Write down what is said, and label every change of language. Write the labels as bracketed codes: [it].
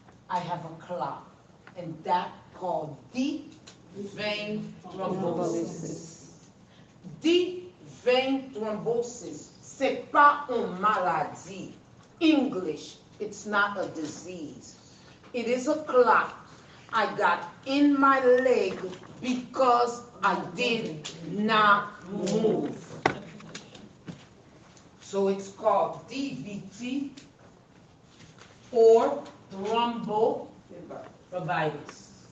[en] I have a clot, and that called deep vein thrombosis. [fr] Deep vein thrombosis, c'est pas une maladie. [en] English, it's not a disease. It is a clot I got in my leg because I did not move. So it's called DVT. Or thrombophlebitis.